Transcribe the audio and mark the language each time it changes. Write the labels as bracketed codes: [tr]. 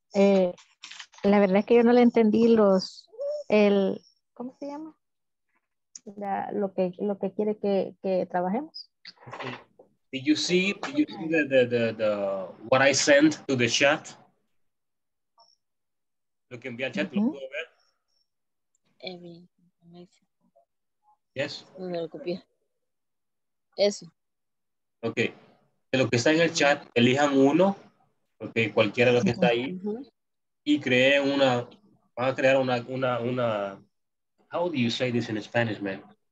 [es] La verdad es que yo no le entendí los el ¿cómo se llama? La, lo que quiere que trabajemos. [en] Okay. Did you see the what I sent to the chat? [es] Lo que envié al chat, lo puedo ver. [en] Yes. [es] Eso. Okay. De lo que está en el chat, elijan uno, porque okay, cualquiera de los que está ahí, y cree una, van a crear una, [en] how do you say this in Spanish, man?